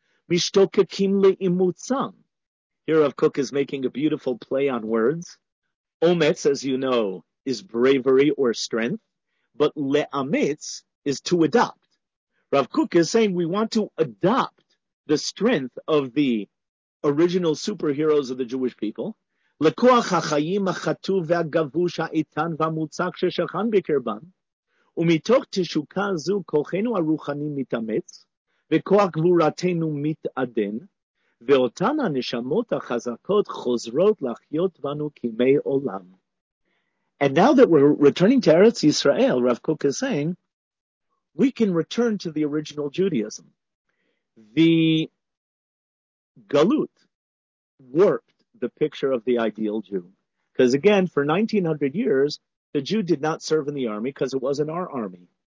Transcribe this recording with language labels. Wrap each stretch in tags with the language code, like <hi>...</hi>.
<he>Mishtokakim le'imutzam.</he> <en>Here Rav Kook is making a beautiful play on words. Ometz, as you know, is bravery or strength. But le'ametz is to adopt. Rav Kook is saying we want to adopt the strength of the original superheroes of the Jewish people.</en> <he>לקוח החיים החטוב והגבוש האיתן והמוצק ששכן בקרבן, ומתוך תשוקה זו כוחנו הרוחני מתאמץ, וכוח גבורתנו מתעדן, ואותן הנשמות החזקות חוזרות לחיות בנו כימי עולם.</he> <en>And now that we're returning to Eretz Yisrael, Rav Kook is saying, we can return to the original Judaism. The galut warped the picture of the ideal Jew. Because again, for 1900 years, the Jew did not serve in the army because it wasn't our army.</en>